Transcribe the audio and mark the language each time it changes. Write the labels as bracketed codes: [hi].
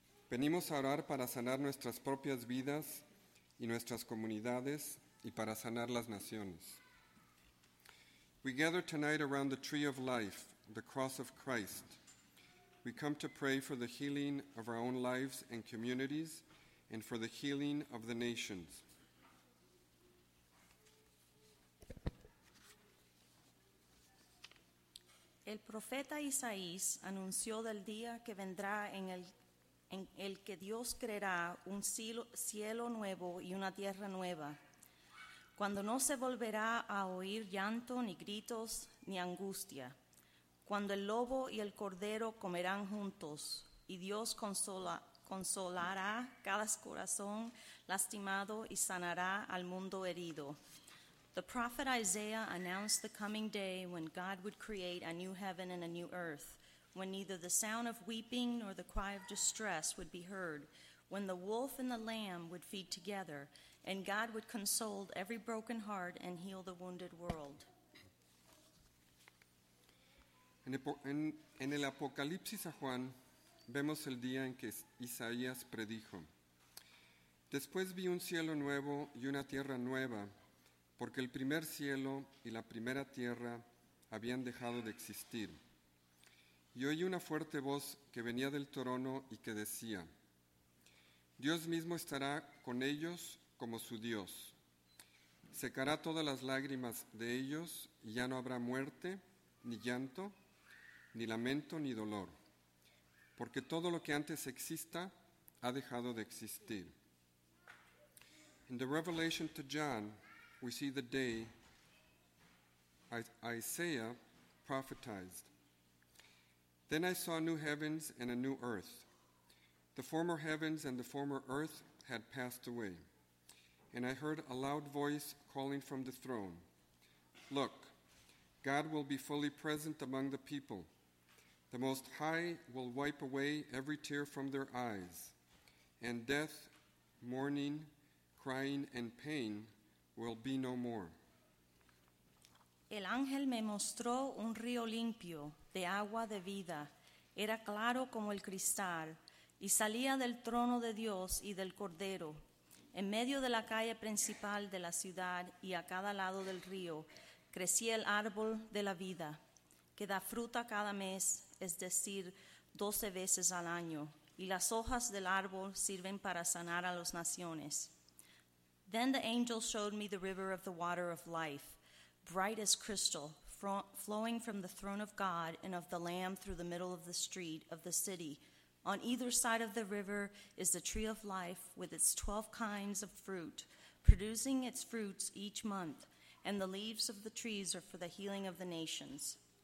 [es] Venimos a orar para sanar nuestras propias vidas y nuestras comunidades y para sanar las naciones. [en] We gather tonight around the tree of life, the cross of Christ. We come to pray for the healing of our own lives and communities and for the healing of the nations. [es] El profeta Isaías anunció del día que vendrá en el que Dios creará un cielo nuevo y una tierra nueva, cuando no se volverá a oír llanto, ni gritos, ni angustia, cuando el lobo y el cordero comerán juntos, y Dios consolará cada corazón lastimado y sanará al mundo herido. [en] The prophet Isaiah announced the coming day when God would create a new heaven and a new earth, when neither the sound of weeping nor the cry of distress would be heard, when the wolf and the lamb would feed together, and God would console every broken heart and heal the wounded world. [es] En el Apocalipsis a Juan, vemos el día en que Isaías predijo. Después vi un cielo nuevo y una tierra nueva, porque el primer cielo y la primera tierra habían dejado de existir. Y oí una fuerte voz que venía del trono y que decía, Dios mismo estará con ellos como su Dios. Secará todas las lágrimas de ellos y ya no habrá muerte, ni llanto, ni lamento, ni dolor, porque todo lo que antes exista ha dejado de existir. [en] In the revelation to John, we see the day Isaiah prophesied. Then I saw new heavens and a new earth. The former heavens and the former earth had passed away. And I heard a loud voice calling from the throne. Look, God will be fully present among the people. The Most High will wipe away every tear from their eyes. And death, mourning, crying, and pain will be no more. [es] El ángel me mostró un río limpio de agua de vida. Era claro como el cristal y salía del trono de Dios y del Cordero. En medio de la calle principal de la ciudad y a cada lado del río crecía el árbol de la vida, que da fruta cada mes, es decir, 12 veces al año, y las hojas del árbol sirven para sanar a las naciones. [en] Then the angel showed me the river of the water of life, bright as crystal, flowing from the throne of God and of the Lamb through the middle of the street of the city. On either side of the river is the tree of life with its 12 kinds of fruit, producing its fruits each month, and the leaves of the trees are for the healing of the nations.